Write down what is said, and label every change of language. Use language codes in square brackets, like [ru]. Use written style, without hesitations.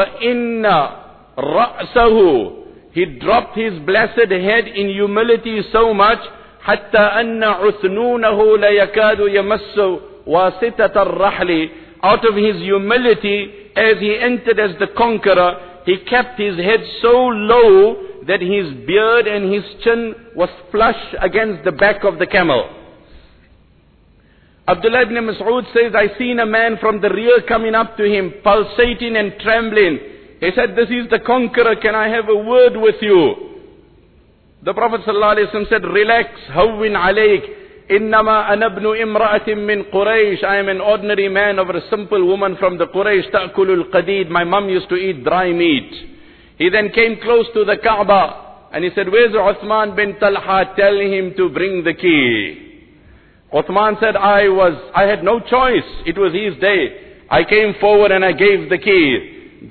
[ar] وَإِنَّ رَأْسَهُ [en] He dropped his blessed head in humility so much, [ar] حَتَّى أَنَّ عُثْنُونَهُ لَيَكَادُ يَمَسُّ وَاسِتَةَ الرَّحْلِ [en] Out of his humility, as he entered as the conqueror, he kept his head so low that his beard and his chin was flush against the back of the camel. Abdullah ibn Mas'ud says, I seen a man from the rear coming up to him, pulsating and trembling. He said, this is the conqueror, can I have a word with you? The Prophet ﷺ said, relax, [ar] hawwin alayk. إنما أنا ابن امرأة من قريش. [en] I am an ordinary man or a simple woman from the Quraysh. [ar] تأكل القديد. [en] My mom used to eat dry meat. He then came close to the Kaaba and he said, where's Uthman bin Talha? Tell him to bring the key. Uthman said, I had no choice. It was his day. I came forward and I gave the key.